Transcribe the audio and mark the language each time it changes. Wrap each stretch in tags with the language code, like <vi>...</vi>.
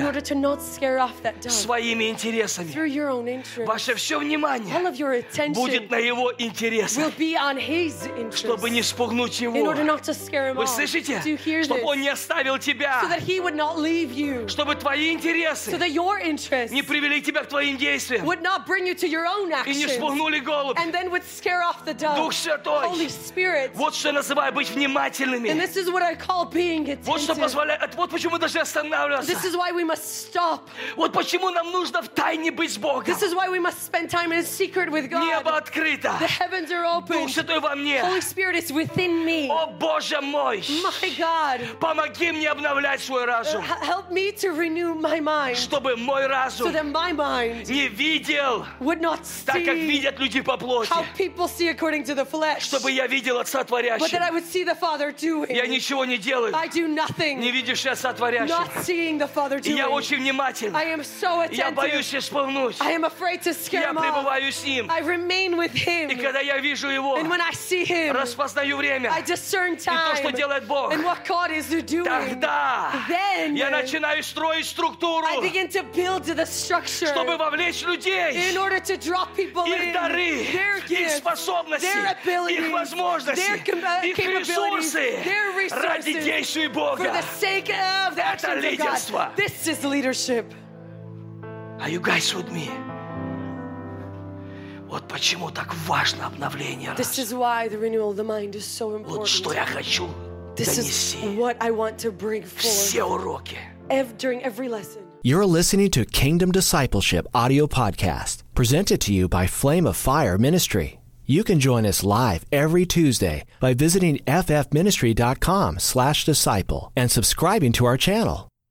<en>In order to not scare off that dove.</en> <ru>Своими интересами.</ru> <en>Through your own interests.</en> <ru>Ваше все внимание.</ru> <en>All of your attention.</en> <ru>Будет на его интересах.</ru> <en>Will be on his interests.</en> <ru>Чтобы не спугнуть его.</ru> <en>In order not to scare him off.</en> <ru>Вы слышите?</ru> <en>Do you hear this?</en> <ru>Чтобы он не оставил тебя.</ru> <en>So that he would not leave you.</en> <ru>Чтобы твои интересы.</ru> <en>So that your interests.</en> <ru>Не привели тебя к твоим действиям.</ru> <en>Would not bring you to your own actions.</en> <ru>И не спугнули голубя.</ru> <en>And then would scare off the dove.</en> <ru>Дух Святой.</ru> <en>Holy Spirit.</en> <ru>Вот что я называю быть внимательными.</ru> <en>And this is what I call being attentive.</en> <ru>Вот что позволяет. Вот почему мы должны останавливаться.</ru> <en>This is why we must stop.</en> <ru>Вот почему нам нужно в тайне быть с Богом.</ru> <en>This is why we must spend time in secret with God.</en> <ru>Небо открыто.</ru> <en>The heavens are open.</en> <ru>Дух Святой во мне.</ru> <en>Holy Spirit is within me.</en> <ru>О Боже мой.</ru> <en>My God.</en> <ru>Помоги мне обновлять свой разум.</ru> <en>Help me to renew my mind.</en> <ru>Чтобы мой разум.</ru> <en>So that my mind.</en> <ru>Не видел.</ru> <en>Would not see.</en> <ru>Так как видят люди по плоти.</ru> <en>How people see according to the flesh.</en> <ru>Чтобы я видел Отца Творящего.</ru> <en>But that I would see the Father doing.</en> <ru>Я ничего не делаю.</ru> <en>I do nothing.</en> <ru>Не видишь Отца Творящего.</ru> <en>Not seeing the Father doing.</en> <ru>И я очень внимателен.</ru> <en>I am so attentive.</en> <ru>Я боюсь испугнуть.</ru> <en>I am afraid to scare him.</en> <ru>Я пребываю с ним.</ru> <en>I remain with him.</en> <ru>И когда я вижу его,</ru> <en>and when I see him,</en> <ru>распознаю время.</ru> <en>I discern time.</en> <ru>И то, что делает Бог.</ru> <en>And what God is doing.</en> <ru>Тогда</ru> <en>then,</en> <ru>я начинаю строить структуру.</ru> <en>I begin to build the structure.</en> <ru>Чтобы вовлечь людей.</ru> <en>In order to draw people</en> <ru>их</ru> <en>in.</en> <ru>Их дары.</ru> <en>Their gifts.</en> <ru>Их способности.</ru> <en>Their abilities.</en> <ru>Их возможности.</ru> <en>Their capabilities.</en> <ru>Их ресурсы.</ru> <en>Their resources.</en> <ru>Ради действий Бога.</ru> <en>For the sake of the actions</en> <ru>это лидерство.</ru> <en>Of God. This is leadership. Are you guys with me?</en> <ru>Вот почему так важно обновление разума.</ru> <en>This is why the renewal of the mind is so important.</en> <ru>Вот что я хочу</ru> <en>this</en> <ru>донести.</ru> <en>This is what I want to bring forth.</en> <ru>Все уроки.</ru> <en>During every lesson. You're listening to Kingdom Discipleship audio podcast, presented to you by Flame of Fire Ministry. You can join us live every Tuesday by visiting ffministry.com/disciple and subscribing to our channel.</en>